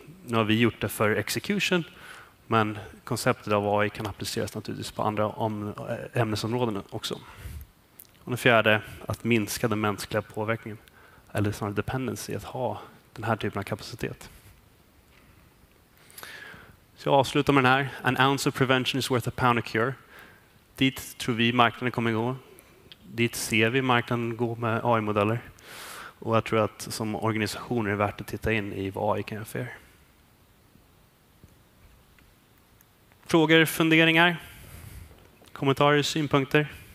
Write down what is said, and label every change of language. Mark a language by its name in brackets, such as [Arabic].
[Swedish] Nu har vi gjort det för execution. Men konceptet av AI kan appliceras naturligtvis på andra ämnesområden också. Och det fjärde, att minska den mänskliga påverkningen eller snarare dependency att ha den här typen av kapacitet. Så jag avslutar med den här. [English] An ounce of prevention is worth a pound of cure. [Swedish] Dit tror vi marknaden kommer gå. Dit ser vi marknaden gå med AI-modeller. Och jag tror att som organisation är det värt att titta in i vad AI kan göra för er. Frågor, funderingar, kommentarer, synpunkter?